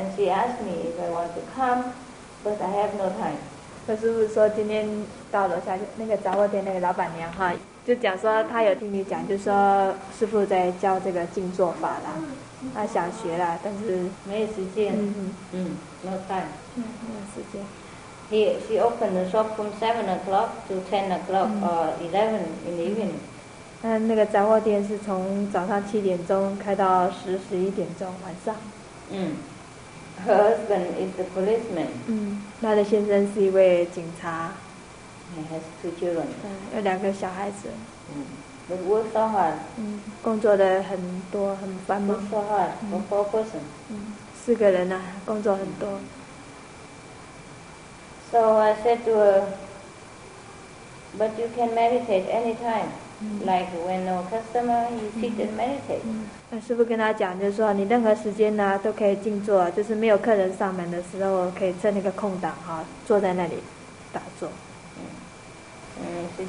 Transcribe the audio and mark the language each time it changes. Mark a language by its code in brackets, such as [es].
[en] And she asked me if I want to come, but I have no time. [zh] 可是师父说今天到楼下那个老板娘哈，就讲说他有听你讲，就说师父在教这个静坐法啦，他想学啦，但是没有时间。嗯嗯，没有时间。 [en] She opened the shop from 7 o'clock to 10 o'clock or 11 in the evening. [zh] 那个杂货店是从早上7点钟开到10、11点钟晚上。 [en] Her husband is a policeman. [zh] 她的先生是一位警察。 [en] He has 2 children. [zh] 有2个小孩子。 [en] But work so hard. [zh] 工作的很多，很繁忙。 [en] Work so hard for 4 persons. [zh] 4个人啊，工作很多。 [en] So I said to her, "But you can meditate anytime. Like when no customer, you sit and meditate." [zh] 师父跟他讲，就是说你任何时间呢都可以静坐，就是没有客人上门的时候，可以趁那个空档哈，坐在那里打坐。 [en] She